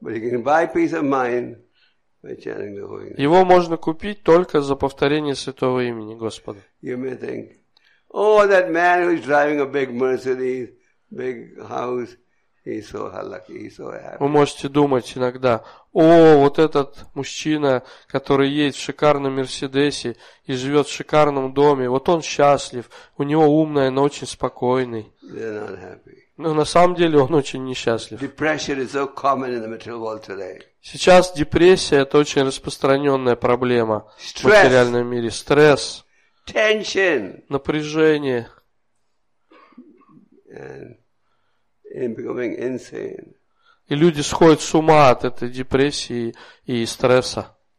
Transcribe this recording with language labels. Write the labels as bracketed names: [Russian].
[Russian] Его можно купить только за повторение Святого Имени Господа. [English] You may think, oh, that man who is driving a big Mercedes, big house, he's so lucky, he's so happy. [Russian] Вы можете думать иногда, о, вот этот мужчина, который едет в шикарном Мерседесе и живет в шикарном доме, вот он счастлив, у него умная, но очень спокойный. [English] They're not happy. [Russian] Но на самом деле он очень несчастлив. [English] Depression is so common in the material world today. [Russian] Сейчас депрессия – это очень распространенная проблема в материальном мире. Стресс. [English] Tension. [Russian] Напряжение. [English] And in becoming insane. [Russian] И люди сходят с ума от этой депрессии и стресса.